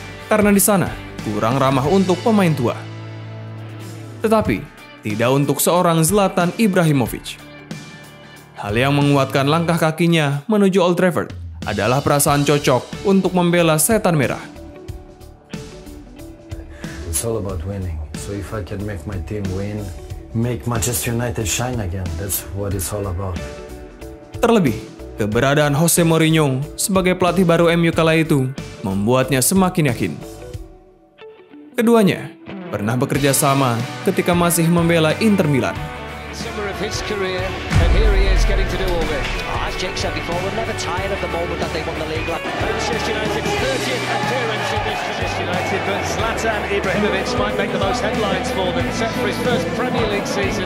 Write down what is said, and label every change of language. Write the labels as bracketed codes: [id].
[id] Karena di sana, kurang ramah untuk pemain tua. Tetapi, tidak untuk seorang Zlatan Ibrahimovic. Hal yang menguatkan langkah kakinya menuju Old Trafford adalah perasaan cocok untuk membela setan merah. [en] It's all about winning. So if I can make my team win, make Manchester United shine again, that's what it's all about. [id] Terlebih, keberadaan Jose Mourinho sebagai pelatih baru MU kala itu membuatnya semakin yakin. Keduanya pernah bekerja sama ketika masih membela Inter Milan. [en] Summer of his career, and here he is getting to do all this. Oh, as Jake said before, we're never tired of the moment that they won the league. Manchester United's 30th appearance in this Manchester United, but Zlatan Ibrahimovic might make the most headlines for them, set for his first Premier League season.